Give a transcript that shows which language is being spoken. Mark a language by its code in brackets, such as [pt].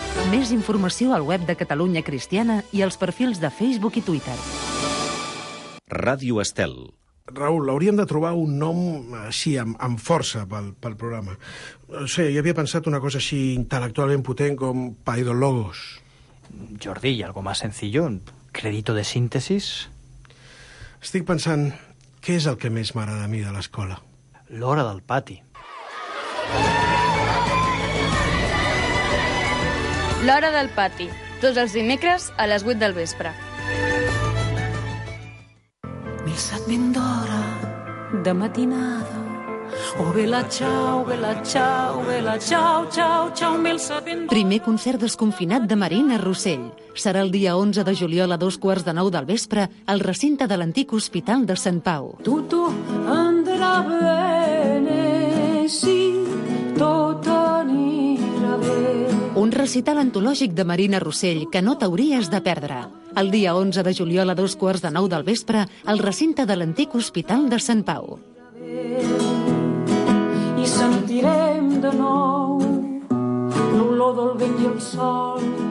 [ca] Més informació al web de Catalunya Cristiana i als perfils de Facebook i Twitter. Ràdio Estel. Raül, hauríem de trobar un nom així, amb força, pel programa. O sigui, jo havia pensat una cosa així intel·lectualment potent com Paido Logos. [es] Jordi, algo más sencillo, un crédito de síntesis. [ca] Estic pensant, què és el que més m'agrada a mi de l'escola? L'hora del pati. L'hora del pati, tots els dimecres a les 8 del vespre. Milsat ben d'hora, de matinada. Oh, bela txau, bela txau, bela txau, txau, txau, milsat ben d'hora. Primer concert desconfinat de Marina Rossell. Serà el dia 11 de juliol a 8:45 del vespre al recinte de l'antic Hospital de Sant Pau. [it] Tutto andrà bene, [ca] sì, tot anirà bé. Un recital antològic de Marina Rossell que no t'hauries de perdre. El dia 11 de juliol a 8:45 del vespre, al recinte de l'antic Hospital de Sant Pau. I sentirem de nou l'olor del vent i el sol.